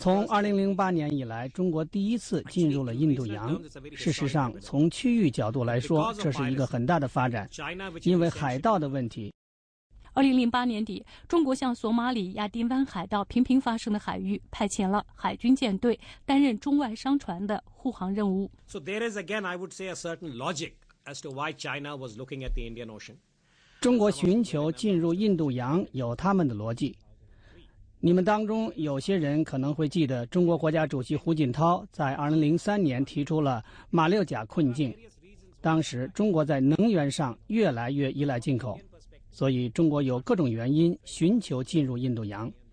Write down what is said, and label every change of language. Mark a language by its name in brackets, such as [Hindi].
[Chinese] 从2008年以来，中国第一次进入了印度洋。事实上，从区域角度来说，这是一个很大的发展，因为海盗的问题。 2008年底，中国向索马里亚丁湾海盗频频发生的海域派遣了海军舰队，担任中外商船的护航任务。 [English] So there is again, I would say, a certain logic as to why China was looking at the Indian Ocean. [Chinese] 中国寻求进入印度洋有他们的逻辑。你们当中有些人可能会记得中国国家主席胡锦涛在2003年提出了马六甲困境，当时中国在能源上越来越依赖进口，所以中国有各种原因寻求进入印度洋。